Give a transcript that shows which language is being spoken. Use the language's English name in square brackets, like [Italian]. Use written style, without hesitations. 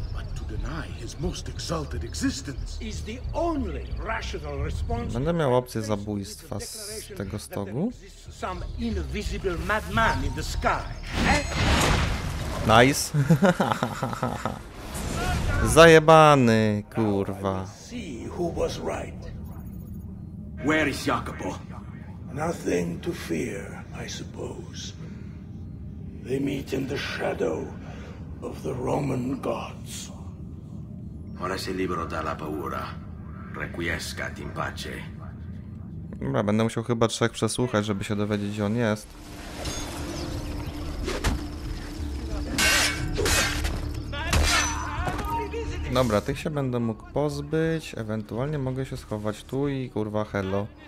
[English] But to deny his most exalted existence is the only rational response. [Polish] Będę miał opcję zabójstwa z tego stogu. [English] Some invisible madman in the sky. Nice. [Polish] Zajebany, kurwa. [English] See who was right. Where is Jacopo? Nothing to fear, I suppose. They meet in the shadow of the Roman gods. [Italian] Ora sei libero dalla paura. [Latin] Requiescat in pace. [Polish] Dobra, będę musiał chyba 3 przesłuchać, żeby się dowiedzieć, gdzie on jest. Dobra, tych się będę mógł pozbyć. Ewentualnie mogę się schować tu i kurwa hello.